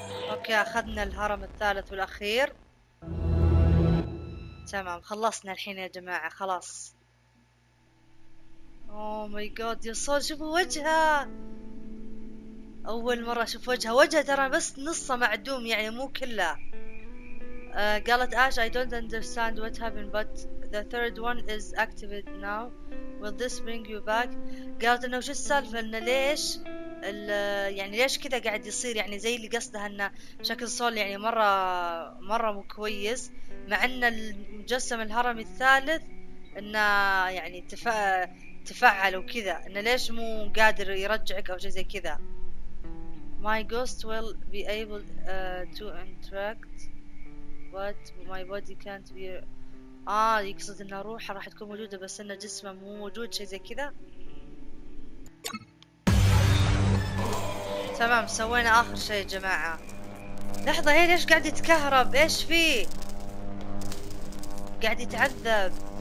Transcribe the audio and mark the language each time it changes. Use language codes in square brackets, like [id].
[ar] اوكي اخذنا الهرم الثالث والاخير، تمام. خلصنا الحين يا جماعة، خلاص. [en] oh my God [ar] يا صول، شوفوا وجهها، اول مرة اشوف وجهها. وجهها ترى بس نصه معدوم، يعني مو كله. قالت اش [en] I don't understand what happened but the third one is activated now, will this bring you back. [ar] قالت انه شو السالفة، انه ليش يعني ليش كذا قاعد يصير، يعني زي اللي قصدها ان شكل سول يعني مره مو كويس، مع ان المجسم الهرمي الثالث انه يعني تفعل وكذا، انه ليش مو قادر يرجعك او شيء زي كذا. [en] My ghost will be able to interact but my body can't be. [ar] يقصد ان روحه راح تكون موجوده بس ان جسمه مو موجود، شيء زي كذا. تمام، سوينا اخر شيء يا جماعة. لحظة، هي ليش قاعد يتكهرب؟ ايش فيه؟ قاعد يتعذب.